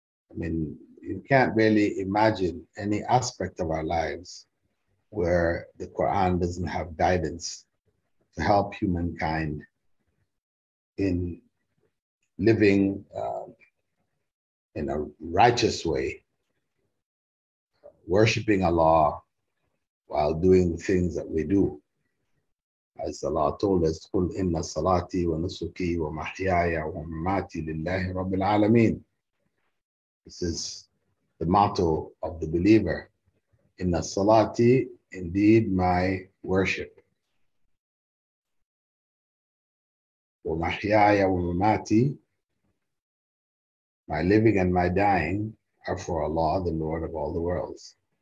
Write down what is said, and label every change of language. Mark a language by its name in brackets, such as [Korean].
[English] I mean, you can't really imagine any aspect of our lives where the Quran doesn't have guidance to help humankind in living in a righteous way, worshiping Allah while doing the things that we do. As Allah told us, [Arabic] قُلْ إِنَّ صَلَاتِي وَنُسُكِي وَمَحْيَايَ وَمَمَاتِي لِلَّهِ رَبِّ الْعَالَمِينَ. [English] This is the motto of the believer. [Arabic] إِنَّ صَلَاتِي, [English] indeed my worship. [Arabic] وَمَحْيَايَ وَمَمَاتِي, [English] my living and my dying are for Allah, the Lord of all the worlds.